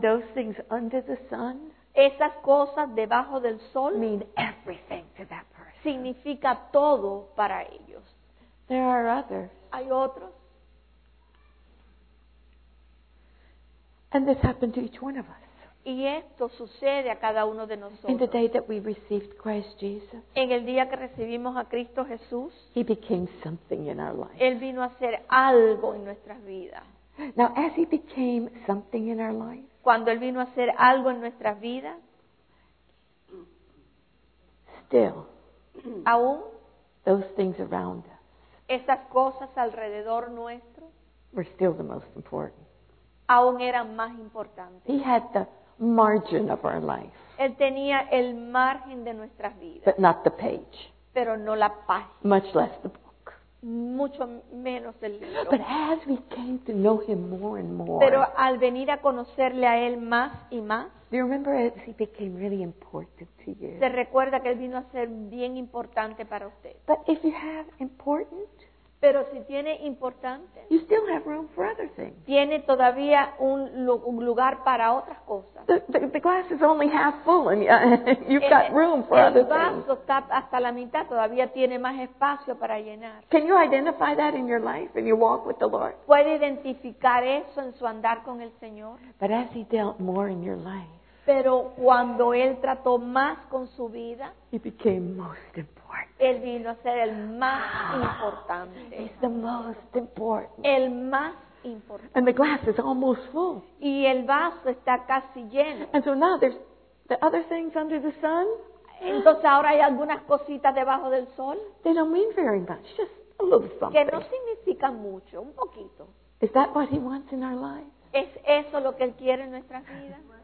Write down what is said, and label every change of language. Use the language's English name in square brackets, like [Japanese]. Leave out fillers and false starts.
[English] Those things under the sun. [Spanish] Esas cosas debajo del sol. [English] Mean everything to that person. [Spanish] Significa todo para ellos. [English] There are others. [Spanish] Hay otros. [English] And this happened to each one of us. [Spanish] Y esto sucede a cada uno de nosotros. [English] In the day that we received Christ Jesus, [Spanish] en el día que recibimos a Cristo Jesús, [English] he became something in our life. [Spanish] Él vino a ser algo en nuestras vidas. [English] Now, as he became something in our life, [Spanish] cuando Él vino a ser algo en nuestras vidas, [English] still, [Spanish] aún, [English] those things around us, [Spanish] esas cosas alrededor nuestro, [English] were still the most important. [Spanish] Aún eran más importantes. [English] He had the margin of our life. [Spanish] Él tenía el margen de nuestras vidas. [English] But not the page. [Spanish] Pero no la página. [English] Much less the book. [Spanish] Mucho menos el libro. [English] But as we came to know him more and more. [Spanish] Pero al venir a conocerle a él más y más. [English] Do you remember as he became really important to you? [Spanish] Se recuerda que él vino a ser bien importante para usted. [English] But if you have important. [Spanish] Pero si tiene importante, [English] you still have room for other things. [Spanish] Tiene todavía un lugar para otras cosas. [English] The glass is only half full, and you've got room for other things. [Spanish] El vaso está hasta la mitad, todavía tiene más espacio para llenar. [English] Can you identify that in your life and you walk with the Lord? [Spanish] ¿Puede identificar eso en su andar con el Señor? [English] But as he dealt more in your life, [Spanish] pero cuando él trató más con su vida, [English] he became most important. [Spanish] Él vino a ser el más importante. [English] He's the most important. [Spanish] El más importante. [English] And the glass is almost full. [Spanish] Y el vaso está casi lleno. [English] And so now there's the other things under the sun. [Spanish] Entonces ahora hay algunas cositas debajo del sol. [English] They don't mean very much, just a little something. [Spanish] Que no significa mucho, un poquito. [English] Is that what he wants in our lives? [Spanish] ¿Es eso lo que él quiere en nuestras vidas?